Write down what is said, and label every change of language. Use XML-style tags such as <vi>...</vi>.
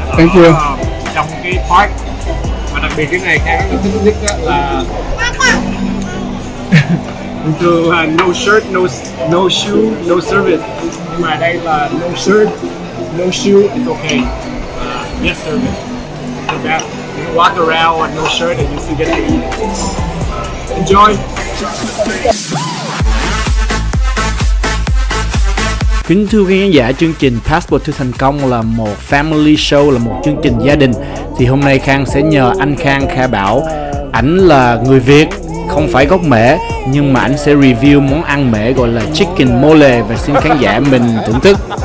<en>Thank you.</en> <vi>Trong cái park. Và đặc biệt cái này Khang thích nhất là</vi> <en>no shirt, no shoe, no service.</en> <vi>Nhưng mà đây là</vi> <en>no shirt, no shoe and okay. Yes service. You can walk around with no shirt and you still get to eat. Enjoy.</en> <vi>Kính thưa quý khán giả, chương trình Passport to Thành Công là một</vi> <en>family show,</en> <vi>là một chương trình gia đình. Thì hôm nay Khang sẽ nhờ anh Khang Kha Bảo, ảnh là người Việt, không phải gốc Mễ, nhưng mà ảnh sẽ review món ăn Mễ gọi là chicken mole, và xin khán giả mình thưởng thức.</vi>